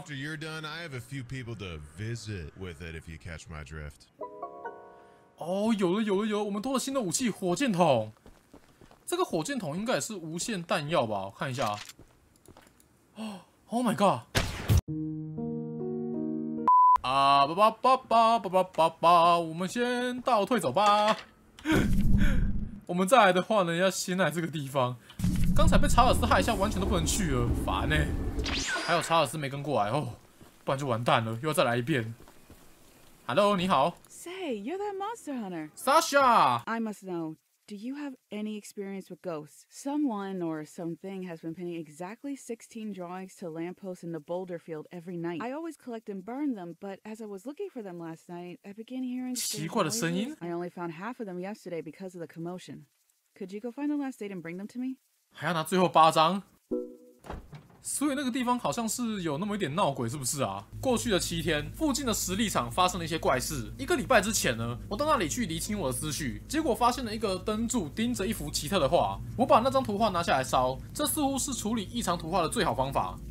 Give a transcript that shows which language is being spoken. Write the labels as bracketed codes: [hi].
[en] After you're done, I have a few people to visit with it. If you catch my drift. [zh] 哦，有了，有了，有了！我们多了新的武器——火箭筒。这个火箭筒应该也是无限弹药吧？我看一下。 [en] Oh my god！ [zh] 啊吧吧吧吧吧吧吧吧，我们先倒退走吧。我们再来的话呢，要先来这个地方。刚才被查尔斯害一下，完全都不能去了，烦欸。还有查尔斯没跟过来哦，不然就完蛋了，又要再来一遍。 Hello， 你好。 [en] Say you're that monster hunter. Sasha. I must know. Do you have any experience with ghosts? Someone or something has been pinning exactly 16 drawings to lampposts in the boulder field every night. I always collect and burn them, but as I was looking for them last night, I began hearing [zh] 奇怪的声音。 [en] I only found half of them yesterday because of the commotion. Could you go find the last 8 and bring them to me? [zh] 还要拿最后八张？所以那个地方好像是有那么一点闹鬼，是不是啊？过去的7天，附近的实力场发生了一些怪事。一个礼拜之前呢，我到那里去厘清我的思绪，结果发现了一个灯柱盯着一幅奇特的画。我把那张图画拿下来烧，这似乎是处理异常图画的最好方法。